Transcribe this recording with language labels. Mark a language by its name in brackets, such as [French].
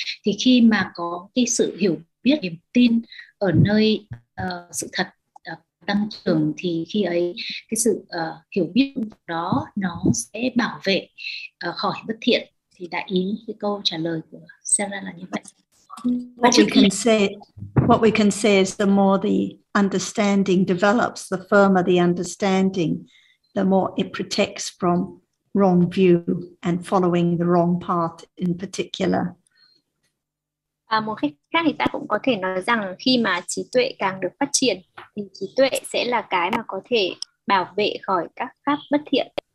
[Vietnamese] Thì khi mà có cái sự hiểu biết, niềm tin ở nơi sự thật tăng trưởng, thì khi ấy cái sự hiểu biết đó nó sẽ bảo vệ khỏi bất thiện. Thì đại ý cái câu trả lời của Sarah là như vậy. [English] What we can say is the more the understanding develops, the firmer the understanding, the more it protects from wrong view and following the wrong path in particular. [Vietnamese] Một cách khác thì ta cũng có thể nói rằng khi mà trí tuệ càng được phát triển thì trí tuệ sẽ là cái mà có thể bảo vệ khỏi các pháp bất thiện.